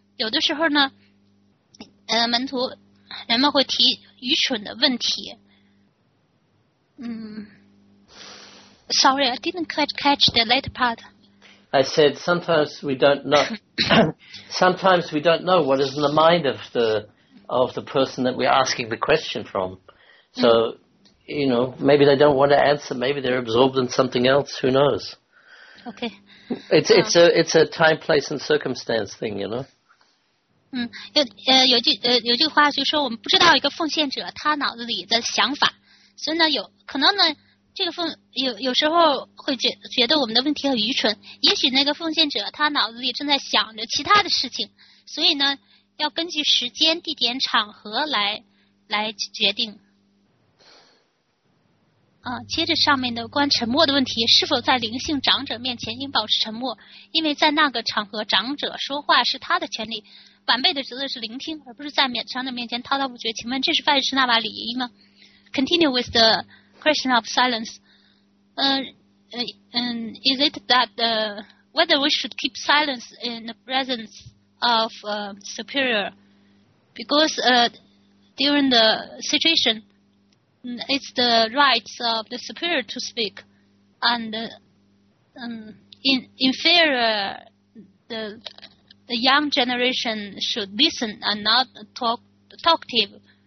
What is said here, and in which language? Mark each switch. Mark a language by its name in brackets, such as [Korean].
[Chinese] 有的时候呢，门徒人们会提愚蠢的问题。 [English] 嗯 ，Sorry, I didn't catch the later part. I said sometimes we don't know. Sometimes we don't know what is in the mind of the person that we're asking the question from. So, you know, maybe they don't want to answer. Maybe they're absorbed in something else. Who knows? Okay. It's a time, place, and circumstance thing, you know. [Chinese] 有句话就是说，我们不知道一个奉献者他脑子里的想法，所以呢，有可能呢，这个有时候会觉得我们的问题很愚蠢，也许那个奉献者他脑子里正在想着其他的事情，所以呢，要根据时间、地点、场合来决定。接着上面的关沉默的问题，是否在灵性长者面前应保持沉默？因为在那个场合，长者说话是他的权利，晚辈的职责是聆听，而不是在长者面前滔滔不绝。请问这是拜师那把礼仪吗 [English] ？Continue with the question of silence. Is it that whether we should keep silence in the presence of superior? Because during the situation. It's the rights of the superior to speak, and inferior, the young generation should listen and not talkative.